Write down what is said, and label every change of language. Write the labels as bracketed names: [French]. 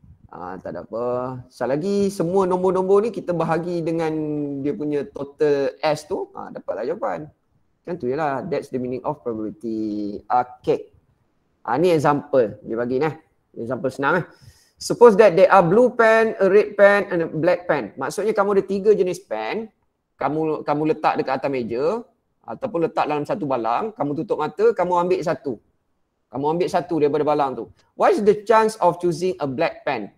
[Malay] Tak ada apa. Sekali lagi semua nombor-nombor ni kita bahagi dengan dia punya total S tu. Dapatlah jawapan. Kan tu je lah. [English] That's the meaning of probability. [Malay] Okay. Ni example dia bagi ni. Example senang lah. [English] Suppose that there are blue pen, a red pen and a black pen. [Malay] Maksudnya kamu ada 3 jenis pen. Kamu letak dekat atas meja ataupun letak dalam satu balang. Kamu tutup mata, kamu ambil satu. Kamu ambil satu daripada balang tu. [English] What is the chance of choosing a black pen?